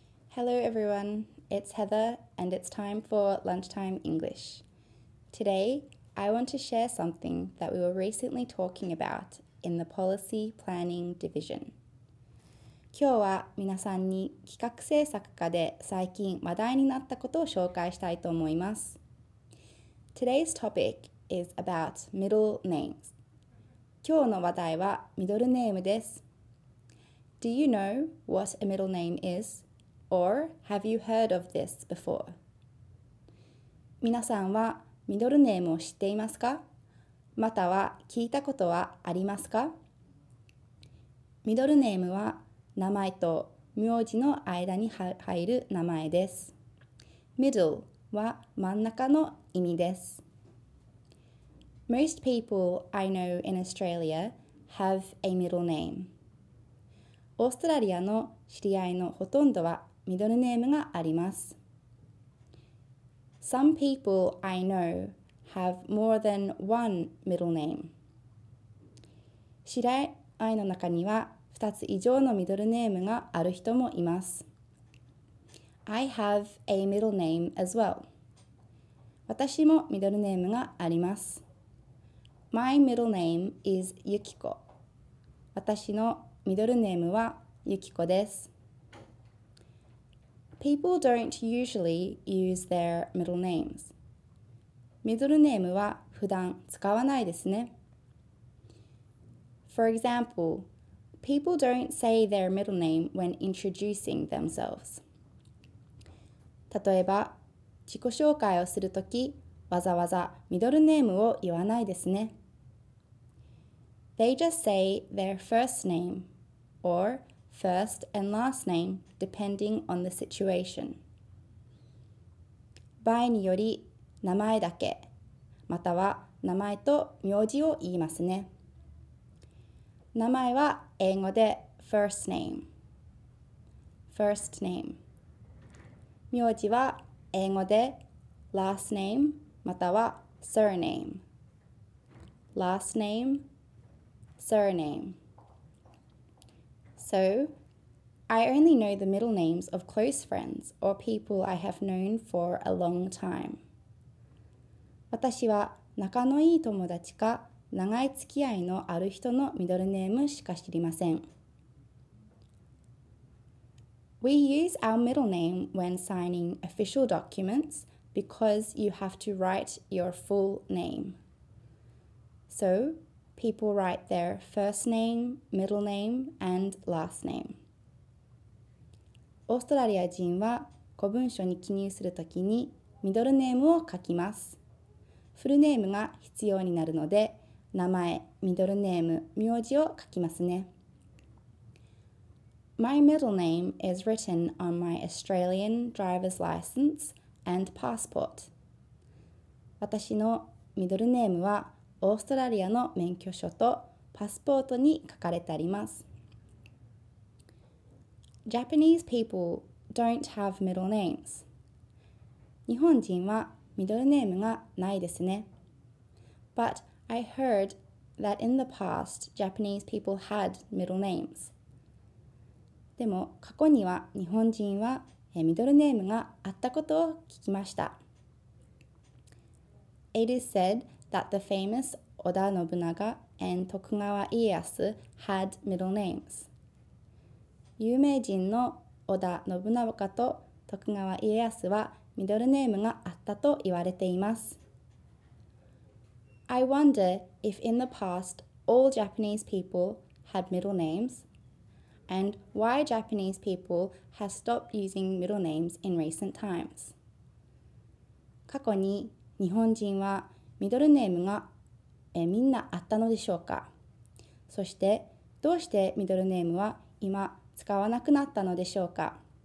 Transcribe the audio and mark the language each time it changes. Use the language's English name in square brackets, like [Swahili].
[English] Hello everyone, it's Heather and it's time for Lunchtime English. Today, I want to share something that we were recently talking about in the Policy Planning Division. [Japanese] 今日は皆さんに企画政策課で最近話題になったことを紹介したいと思います。 [English] Today's topic is about middle names. [Japanese] 今日の話題はミドルネームです。 [English] Do you know what a middle name is? Or have you heard of this before? [Japanese] 皆さんはミドルネームを知っていますか?または聞いたことはありますか? ミドルネームは名前と名字の間に入る名前です。 Middle は真ん中の意味です。 [English] Most people I know in Australia have a middle name. [Japanese] オーストラリアの知り合いのほとんどはミドルネームがあります。 [English] Some people I know have more than one middle name. [Japanese] 知り合いの中には2つ以上のミドルネームがある人もいます。 [English] I have a middle name as well. [Japanese] 私もミドルネームがあります。 [English] My middle name is Yukiko. [Japanese] 私のミドルネームはユキコです。 [English] People don't usually use their middle names. [Japanese] ミドルネームは普段使わないですね。 [English] For example, people don't say their middle name when introducing themselves. [Japanese] 例えば、自己紹介をするとき、わざわざミドルネームを言わないですね。 [English] They just say their first name, or... First and last name, depending on the situation. [Japanese] 場合により名前だけ、または名前と名字を言いますね。名前は英語で first name. First name. 名字は英語で last name, または surname. [English] Last name, surname. So, I only know the middle names of close friends or people I have known for a long time. [Japanese] 私は仲のいい友達か長い付き合いのある人のミドルネームしか知りません。 [English] We use our middle name when signing official documents because you have to write your full name. So,People write their first name, middle name, and last name. [Japanese] オーストラリア人は、古文書に記入するときに、ミドルネームを書きます。フルネームが必要になるので、名前、ミドルネーム、名字を書きますね。 [English] My middle name is written on my Australian driver's license and passport. [Japanese] 私のミドルネームは、オーストラリアの免許証とパスポートに書かれてあります。 [English] Japanese people don't have middle names. [Japanese] 日本人はミドルネームがないですね。 [English] But I heard that in the past, Japanese people had middle names. [Japanese] でも過去には日本人はミドルネームがあったことを聞きました。 [English] It is said that the famous 織田信長 and 徳川家康 had middle names. [Japanese] 有名人の織田信長と徳川家康はミドルネームがあったと言われています。 [English] I wonder if in the past all Japanese people had middle names, and why Japanese people have stopped using middle names in recent times. [Japanese] 過去に日本人はミドルネームがみんなあったのでしょうか。そしてどうしてミドルネームは今使わなくなったのでしょうか。